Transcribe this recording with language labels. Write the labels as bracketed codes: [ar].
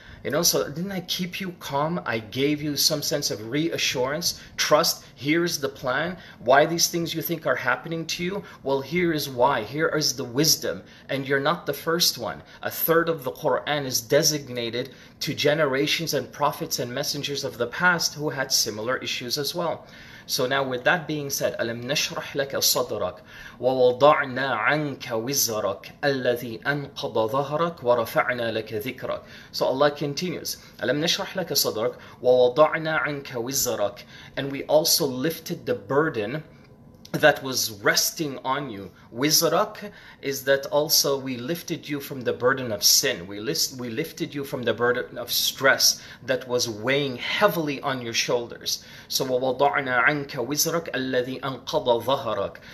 [en] You know, so didn't I keep you calm? I gave you some sense of reassurance, trust. Here's the plan. Why these things you think are happening to you? Well, here is why. Here is the wisdom. And you're not the first one. A third of the Quran is designated to generations and prophets and messengers of the past who had similar issues as well. So now with that being said, [ar] أَلَمْ نَشْرَحْ لَكَ صَدْرَكَ وَوَضَعْنَا عَنْكَ وِزَرَكَ الَّذِي أَنْقَضَ ظَهْرَكَ وَرَفَعْنَا لَكَ ذِكْرَكَ. [en] So Allah continues, [ar] أَلَمْ نَشْرَحْ لَكَ صَدْرَكَ وَوَضَعْنَا عَنْكَ وِزَرَكَ. [en] And we also lifted the burden that was resting on you. Wizrak is that also we lifted you from the burden of sin. We lifted you from the burden of stress that was weighing heavily on your shoulders. [ar] So وَوَضَعْنَا عَنْكَ وِزْرَكَ الَّذِي أَنْقَضَ ظَهَرَكَ.